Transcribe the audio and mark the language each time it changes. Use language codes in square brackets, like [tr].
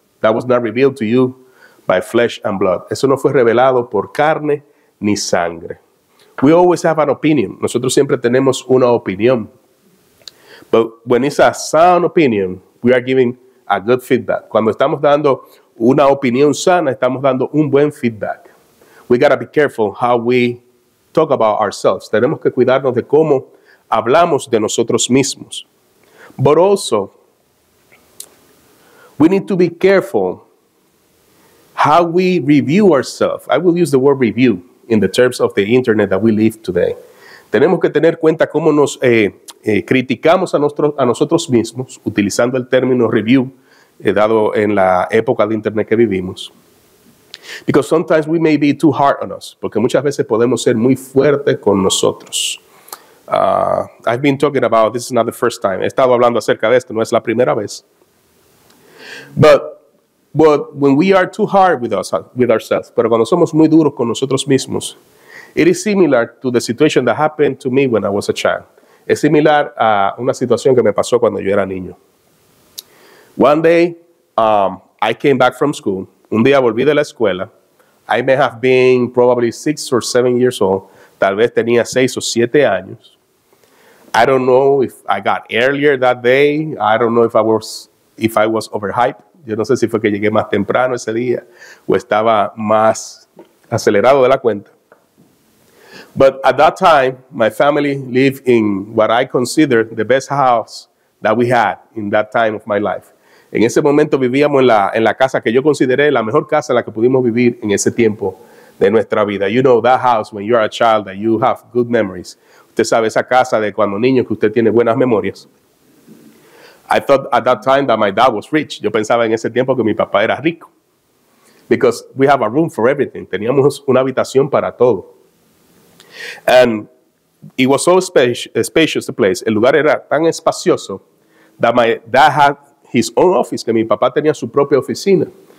[en] That was not revealed to you by flesh and blood. [es] Eso no fue revelado por carne ni sangre. [en] We always have an opinion. [es] Nosotros siempre tenemos una opinión. [en] But when it's a sound opinion, we are giving a good feedback. [es] Cuando estamos dando una opinión sana, estamos dando un buen feedback. [en] We gotta be careful how we talk about ourselves. [es] Tenemos que cuidarnos de cómo hablamos de nosotros mismos. [en] But also, we need to be careful how we review ourselves. I will use the word review in the terms of the internet that we live today. [es] Tenemos que tener cuenta cómo nos criticamos a nosotros mismos, utilizando el término review dado en la época de internet que vivimos. [en] Because sometimes we may be too hard on us, [es] porque muchas veces podemos ser muy fuertes con nosotros. [en] I've been talking about this is not the first time. [es] He estado hablando acerca de esto, no es la primera vez. [en] But when we are too hard with ourselves, [es] pero cuando somos muy duros con nosotros mismos, [en] it is similar to the situation that happened to me when I was a child. [es] Es similar a una situación que me pasó cuando yo era niño. [en] One day, I came back from school. [es] Un día volví de la escuela. [en] I may have been probably 6 or 7 years old. [es] Tal vez tenía 6 o 7 años. [en] I don't know if I got earlier that day. I don't know if I was overhyped. [es] Yo no sé si fue que llegué más temprano ese día o estaba más acelerado de la cuenta. [en] But at that time, my family lived in what I consider the best house that we had in that time of my life. [es] En ese momento vivíamos en la casa que yo consideré la mejor casa en la que pudimos vivir en ese tiempo de nuestra vida. [en] You know that house when you are a child that you have good memories. [es] Usted sabe esa casa de cuando niño que usted tiene buenas memorias. [en] I thought at that time that my dad was rich. [es] Yo pensaba en ese tiempo que mi papá era rico. [en] Because we have a room for everything. [es] Teníamos una habitación para todo. [en] And it was so spacious the place. [es] El lugar era tan espacioso [en] that my dad had his own office, [es] que mi papá tenía su propia oficina.